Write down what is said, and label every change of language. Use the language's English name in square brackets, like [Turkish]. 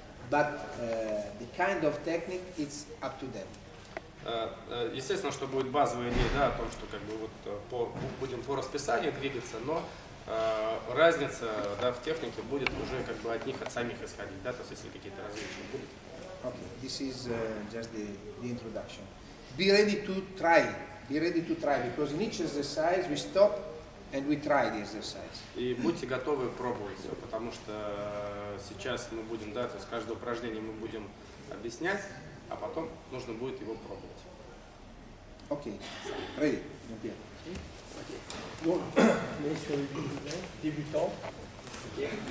[English] But the kind of technique, it's up to them. [Russian] Естественно, что будет базовая идея, да, о том, что как бы вот будем по расписанию двигаться, но разница, да, в технике будет уже как бы от них, от самих исходить, да, то есть если какие-то различия будут. [English] Okay, this is just the introduction. Be ready to try. Be ready to try, because in each exercise we stop and we try the exercise. [Russian] И будьте готовы пробовать все, потому что сейчас мы будем, да, то есть каждое упражнение мы будем объяснять. А потом нужно будет его пробовать. Окей. Ready. Окей. [French] Monsieur le débutant. Okay.